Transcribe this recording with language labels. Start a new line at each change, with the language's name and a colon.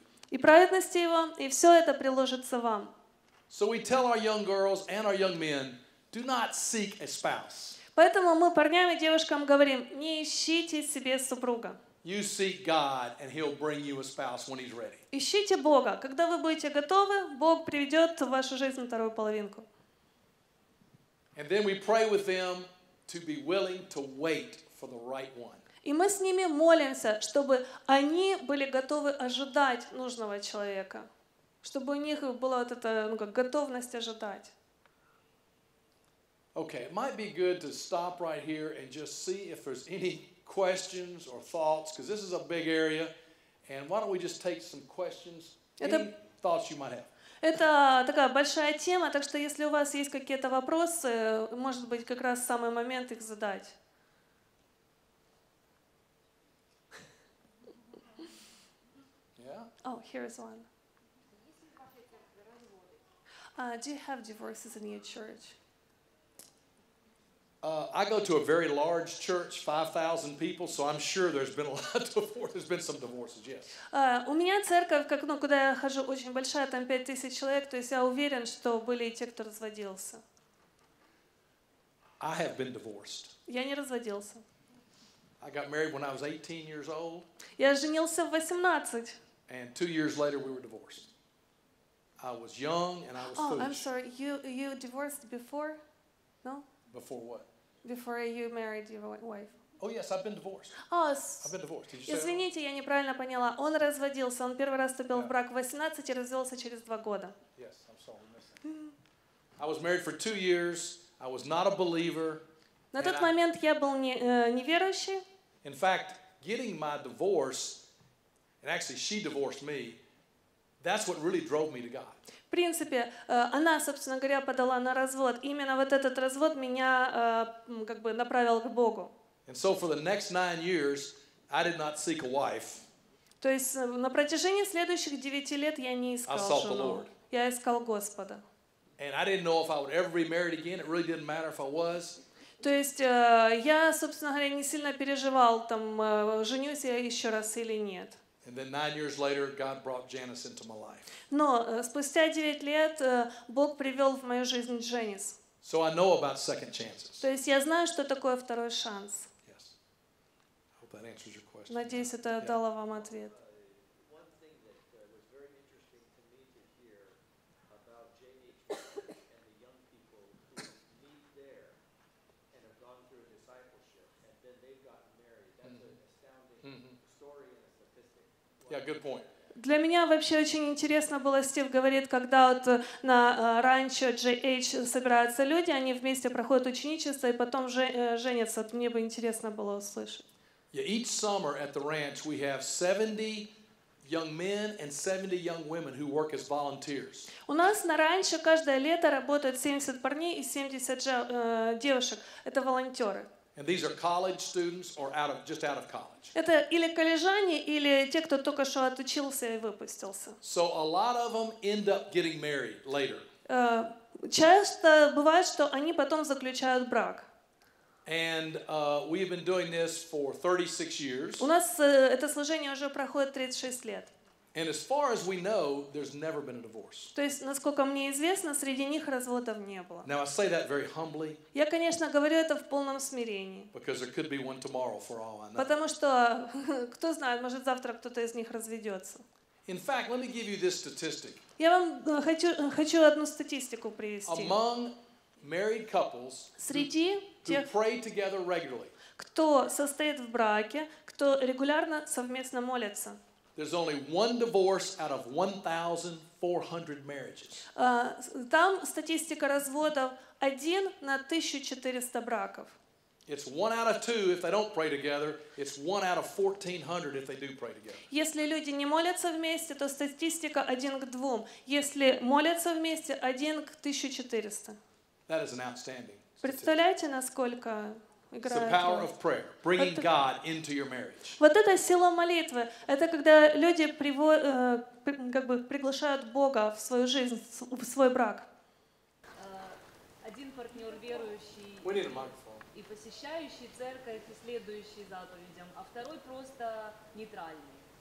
Russian: И праведности Его, и все это приложится вам.
English: So we tell our young girls and our young men, do not seek a spouse.
Russian: Поэтому мы парням и девушкам говорим, не ищите себе супруга.
English: You seek God, and He'll bring you a spouse when He's ready.
Russian: Ищите Бога. Когда вы будете готовы, Бог приведет в вашу жизнь вторую половинку.
English: And then we pray with them. To be willing to wait for the right one.
Russian: И мы с ними молимся, чтобы они были готовы ожидать нужного человека, чтобы у них была вот эта готовность ожидать.
English: Okay, it might be good to stop right here and just see if there's any questions or thoughts, because this is a big area. And why don't we just take some questions? Any thoughts you might have?
Russian: Это такая большая тема, так что если у вас есть какие-то вопросы, может быть, как раз самый момент их задать.
English: Yeah. Oh, here is one. Do you have divorces in your church? I go to a very large church, 5,000 people, so I'm sure there's been a lot of divorces. There's been some divorces, yes.
Russian: У меня церковь, как, ну, куда я хожу, очень большая, там 5,000 человек, то есть я уверен, что были и те, кто разводился.
English: I have been divorced.
Russian: Я не разводился.
English: I got married when I was 18 years old.
Russian: Я женился в 18.
English: And 2 years later we were divorced. I was young and I was foolish. Oh, I'm sorry. You divorced before? No? Before what? Before you married your wife. Oh yes, I've been divorced. I've been divorced. Did you say?
Russian: Извините, я неправильно поняла. Он разводился. Он первый раз вступил в брак в 18 и развелся через 2 года.
English: Yes, I'm sorry, I missed that. I was married for 2 years. I was not a believer.
Russian: На тот момент я был неверующий.
English: In fact, getting my divorce, and actually she divorced me, that's what really drove me to God.
Russian: В принципе, она, собственно говоря, подала на развод. Именно вот этот развод меня как бы направил к Богу.
English: And so for the next 9 years, I did not seek a wife.
Russian: То есть на протяжении следующих 9 лет я не искал жену.
English: I sought the Lord.
Russian: Я искал Господа.
English: And I didn't know if I would ever be married again. It really didn't matter if I was.
Russian: То есть я, собственно говоря, не сильно переживал, там, женюсь я еще раз или нет.
English: And then 9 years later, God brought Janice into my life.
Russian: Но спустя 9 лет Бог привел в мою жизнь Дженис.
English: So I know about second chances.
Russian: То есть я знаю, что такое второй шанс.
English: Yes. I hope that answers your question.
Russian: Надеюсь, это дало вам ответ.
English: Yeah, good point.
Russian: Для меня вообще очень интересно было, Стив говорит, когда вот на ранчо GH собираются люди, они вместе проходят ученичество и потом женятся. Вот мне бы интересно было услышать.
English: Yeah, each summer at the ranch we have 70 young men and 70 young women who work as volunteers.
Russian: У нас на ранчо каждое лето работают 70 парней и 70 девушек. Это волонтеры.
English: And these are college students or out of just out of college.
Russian: Это или коллежане, или те, кто только что отучился и выпустился.
English: So a lot of them end up getting married later.
Russian: Часто бывает, что они потом заключают брак.
English: And we have been doing this for 36 years.
Russian: У нас это служение уже проходит 36 лет.
English: And as far as we know, there's never been a divorce.
Russian: То есть, насколько мне известно, среди них разводов не было.
English: Now I say that very humbly.
Russian: Я, конечно, говорю это в полном смирении.
English: Because there could be one tomorrow for all I know.
Russian: Потому что кто знает, может завтра кто-то из них разведется.
English: In fact, let me give you this statistic.
Russian: Я вам хочу одну статистику привести.
English: Among married couples,
Russian: среди
English: who pray together regularly.
Russian: Кто состоит в браке, кто регулярно совместно молится.
English: There's only one divorce out of 1,400 marriages.
Russian: Там статистика разводов один на 1,400 браков.
English: It's one out of two if they don't pray together. It's one out of 1,400 if they do pray together.
Russian: Если люди не молятся вместе, то статистика один к двум. Если молятся вместе, один к 1,400.
English: That is an outstanding.
Russian: Представляете, насколько играет.
English: It's the power of prayer, bringing God into your marriage.
Russian: Вот это сила молитвы. Это когда люди приглашают Бога в свою жизнь, в свой брак. Один партнер верующий и посещающий церковь и следующий заповедям, а второй просто нейтральный.